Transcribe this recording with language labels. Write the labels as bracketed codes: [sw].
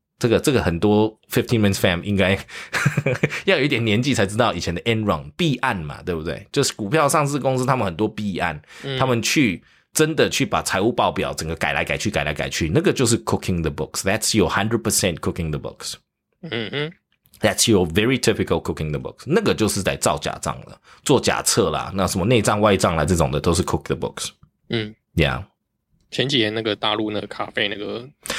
[zh] 这个很多 15minutes fam 应该要有一点年纪才知道以前的 Enron 弊案嘛，对不对？就是股票上市公司他们很多弊案，他们去真的去把财务报表整个改来改去改来改去，那个就是 cooking the books, [en] that's your 100% cooking the books。嗯哼， That's your very typical cooking the books. [zh] 那个就是在造假账了，做假册啦，那什么内账外账啦，这种的都是 cook the books. 嗯 [en] ，Yeah. [zh] 前几年那个大陆那个咖啡那个